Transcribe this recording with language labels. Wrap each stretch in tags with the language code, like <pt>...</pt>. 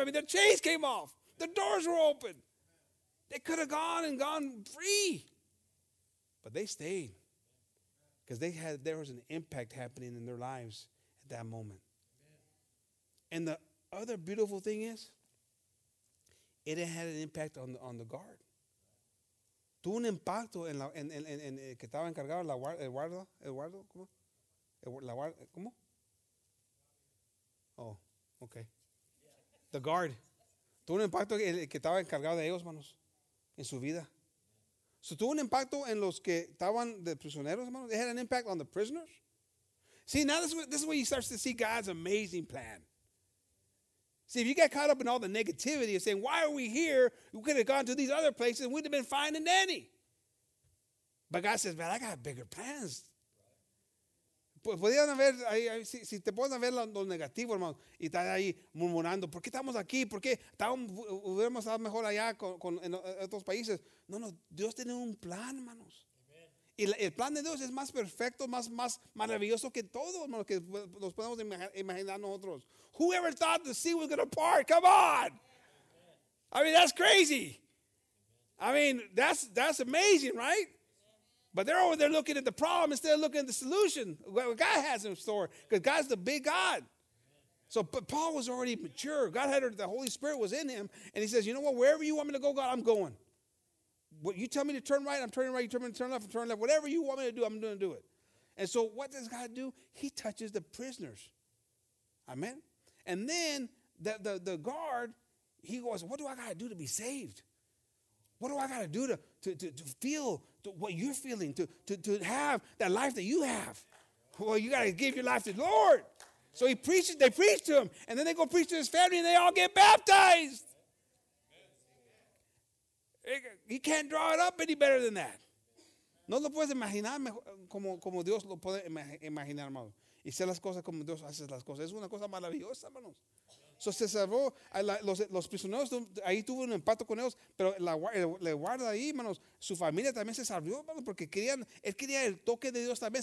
<en>I mean, their chains came off. The doors were open. They could have gone free. But they stayed. Because there was an impact happening in their lives at that moment. Amen. And the other beautiful thing is, it had an impact on the guard.</en> <es>Tuvo un impacto en la en que estaba encargado la guarda. Eduardo, ¿cómo? La guarda, ¿cómo?</es> <en>Oh, okay. The guard.</en> <es>Tuvo un impacto en el que estaba encargado de ellos, hermanos, en su vida. So tuvo un impacto en los que estaban de prisioneros, hermanos.</es> <en>It had an impact on the prisoners. See, now this is where you start to see God's amazing plan. See, if you get caught up in all the negativity of saying, why are we here? We could have gone to these other places and we'd have been fine and dandy. But God says, man, I got bigger plans.</en> <es>Podrían haber, si te pones a ver lo negativo, hermano, y estar ahí murmurando, ¿por qué estamos aquí? ¿Por qué hubiéramos estado mejor allá en otros países? No, no, Dios tiene un plan, hermanos. Amen. Y el plan de Dios es más perfecto, más maravilloso que todo, hermano, que nos podemos imaginar nosotros.</es> <en>Whoever thought the sea was going to part? Come on! Amen. I mean, that's crazy. Amen. I mean, that's amazing, right? But they're over there looking at the problem instead of looking at the solution. What God has in store, because God's the big God. So, but Paul was already mature. God had the Holy Spirit was in him. And he says, you know what? Wherever you want me to go, God, I'm going. What you tell me to turn right, I'm turning right. You tell me to turn left, I'm turning left. Whatever you want me to do, I'm going to do it. And so what does God do? He touches the prisoners. Amen? And then the guard, he goes, what do I got to do to be saved? What do I got to do to feel what you're feeling, to have that life that you have? Well, you got to give your life to the Lord. So he preaches, they preach to him, and then they go preach to his family, and they all get baptized. He can't draw it up any better than that.</en> <es>No lo puedes imaginar como Dios lo puede imaginar, hermano. Y hacer las cosas como Dios hace las cosas. Es una cosa maravillosa, hermanos. So se salvó. Los prisioneros ahí tuvo un empate con ellos, pero la guarda ahí, hermanos. Su familia también se salvó, hermanos, porque querían, él quería el toque de Dios también.</es>